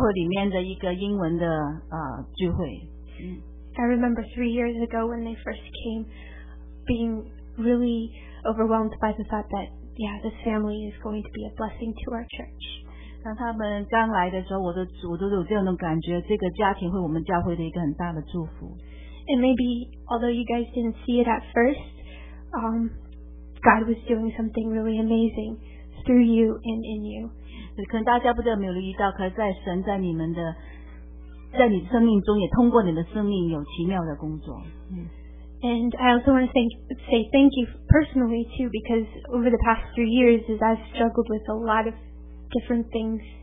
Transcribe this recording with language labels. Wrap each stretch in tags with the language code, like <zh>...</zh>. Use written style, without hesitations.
<zh>是在一个中国教会里面的一个英文的聚会。</zh> <en>I remember 3 years ago when they first came, being really overwhelmed by the thought that. Yeah, this family is going to be a blessing to our church.</en> <zh>当他们刚来的时候，我都有这种感觉，这个家庭会我们教会的一个很大的祝福。</zh> <en>And maybe although you guys didn't see it at first, God was doing something really amazing through you and in you.</en> <zh>可能大家不知道没有留意到，可是在神在你们的，在你生命中也通过你的生命有奇妙的工作。</zh> <en>And I also want to say thank you personally too, because over the past 3 years, as I've struggled with a lot of different things,</en>